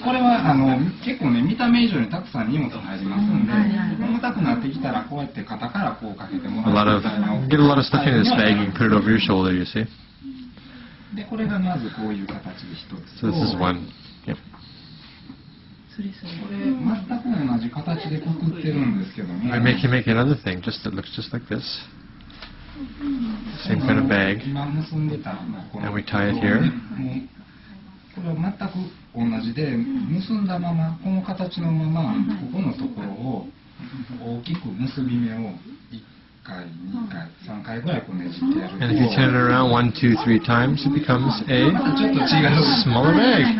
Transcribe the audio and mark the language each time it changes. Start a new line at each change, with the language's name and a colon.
Japanese: これは結構ね、見た目以上にたくさん荷物が入りますんで、重たくなってきたら、こうやって肩からこうかけてもらう。
English: Get a lot of stuff in this bag and put it over your shoulder, you see.
Japanese: で、これがまずこういう形で一つ。
English: So this is one. Yep.
Japanese: これ、全く同じ形でくくってるんですけどね。
English: We make another thing, just that looks just like this. Same kind of bag.
Japanese: 今結んでたの、この。
English: And we tie it here.
Japanese: これは全く同じで、結んだまま、この形のまま、ここのところを大きく結び目を1回、2回、3回ぐらいこうねじってやると。
English: And if you turn it around 1, 2, 3 times, it becomes a smaller bag.